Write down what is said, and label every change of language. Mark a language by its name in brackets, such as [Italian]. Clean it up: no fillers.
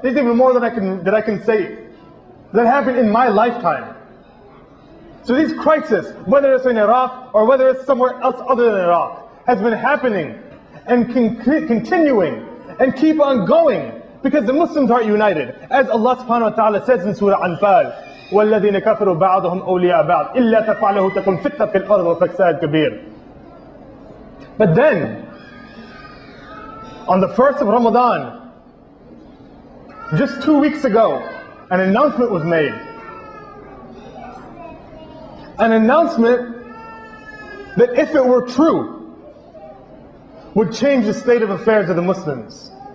[English] There's even more than I can say that happened in my lifetime. So these crises, whether it's in Iraq or whether it's somewhere else other than Iraq, has been happening and continuing and keep on going because the Muslims aren't united. As Allah subhanahu wa ta'ala says in Surah Anfal, [Arabic] وَالَّذِينَ كَفَرُوا بَعْضُهُمْ أَوْلِيَاءَ بَعْضٍ إِلَّا تَفْعَلُهُ تَكُنْ فِتْنَةٌ فِي الْأَرْضِ وَفَسَادٌ كَبِيرٌ. [English] But then, on the first of Ramadan, just 2 weeks ago, an announcement was made. An announcement that if it were true, would change the state of affairs of the Muslims.